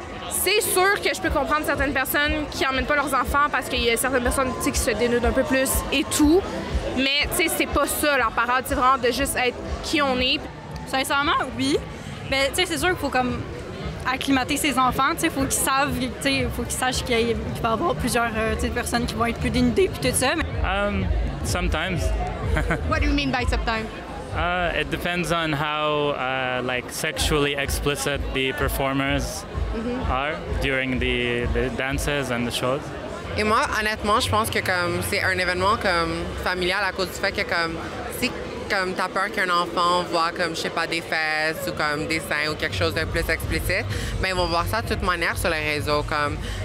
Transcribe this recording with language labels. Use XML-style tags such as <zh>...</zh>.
<fr>C'est sûr que je peux comprendre certaines personnes qui n'emmènent pas leurs enfants parce qu'il y a certaines personnes qui se dénudent un peu plus et tout, mais tu sais, c'est pas ça la parade, c'est vraiment de juste être qui on est. Sincèrement, oui. Mais tu sais, c'est sûr qu'il faut comme acclimater ses enfants, tu sais, faut qu'ils sachent qu'il va y avoir plusieurs personnes qui vont être plus dénudées puis tout ça. Mais...</fr> <en>Sometimes. What do you mean by sometimes? It depends on how sexually explicit the performers are during the dances and the shows.</en> <fr>Et moi, honnêtement, je pense que comme c'est un événement comme familial à cause du fait que comme si comme t'as peur qu'un enfant voit comme je sais pas des fesses ou comme des seins ou quelque chose de plus explicite, ben ils vont voir ça de toute manière sur les réseaux comme.</fr>